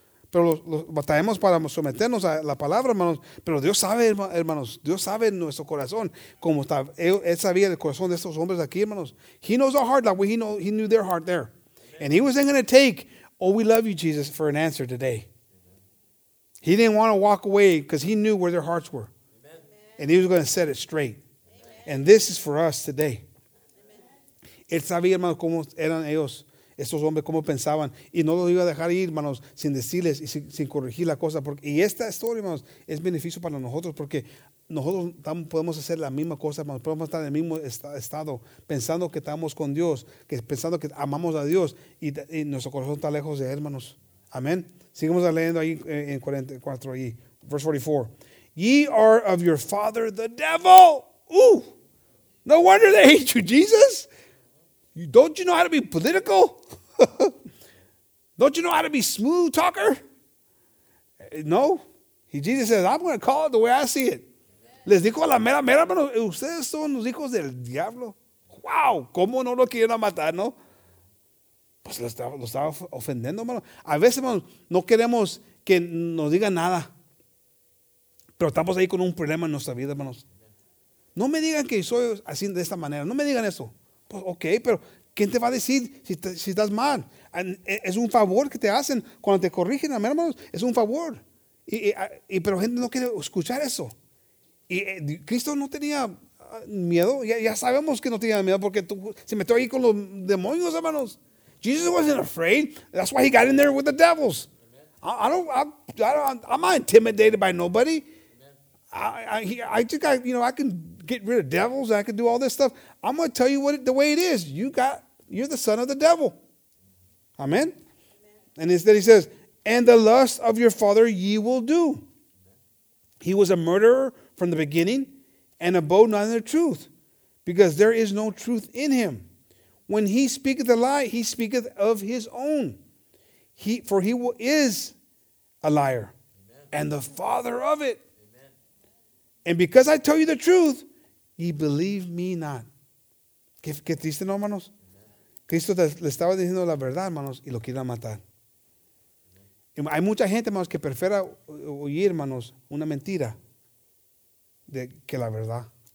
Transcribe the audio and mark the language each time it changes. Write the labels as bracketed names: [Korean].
[Spanish] Pero los batallamos para someternos a la palabra, hermanos. Pero Dios sabe, hermanos. Dios sabe en nuestro corazón. Como está, él sabía el corazón de estos hombres aquí, hermanos. [English] He knows our heart that way. He knew their heart there. Amen. And he wasn't going to take, oh, we love you, Jesus, for an answer today. Amen. He didn't want to walk away because he knew where their hearts were. Amen. And he was going to set it straight. Amen. And this is for us today. Amen. [Spanish] Él sabía, hermanos, cómo eran ellos. Estos hombres, ¿cómo pensaban? Y no los iba a dejar ir, hermanos, sin decirles y sin corregir la cosa. Porque, y esta historia, hermanos, es beneficio para nosotros porque nosotros podemos hacer la misma cosa, hermanos. Podemos estar en el mismo estado, pensando que estamos con Dios, que pensando que amamos a Dios y nuestro corazón está lejos de Él, hermanos. Amén. Sigamos leyendo ahí en 44, ahí, verse 44. [English] Ye are of your father the devil. Ooh, no wonder they hate you, Jesus. Don't you know how to be political? Don't you know how to be smooth talker? No. Jesus says, I'm going to call it the way I see it. [Spanish] Les dijo la mera, mera, pero ustedes son los hijos del diablo. Wow, ¿cómo no lo quieren matar, no? Pues lo estaba ofendiendo, hermano. A veces, hermano, no queremos que nos digan nada. Pero estamos ahí con un problema en nuestra vida, hermanos. No me digan que soy así de esta manera. No me digan eso. Pues, ok, pero ¿quién te va a decir si estás mal? Es un favor que te hacen cuando te corrigen, hermanos. Es un favor. Y pero gente no quiere escuchar eso. Y Cristo no tenía miedo. Ya sabemos que no tenía miedo porque se metió ahí con los demonios, hermanos. [English] Jesus wasn't afraid. That's why he got in there with the devils. I'm not intimidated by nobody. I can get rid of devils. I can do all this stuff. I'm going to tell you the way it is. You're the son of the devil. Amen. And instead he says, and the lust of your father ye will do. He was a murderer from the beginning and abode not in the truth because there is no truth in him. When he speaketh a lie, he speaketh of his own. He is a liar. Amen. And the father of it. Amen. And because I tell you the truth, ye believe me not. [Spanish] ¿Qué triste, no, hermanos? Amen. Cristo le estaba diciendo la verdad, hermanos, y lo quiere matar. Amen. Hay mucha gente, hermanos, que prefiera oír, hermanos, una mentira de que la verdad.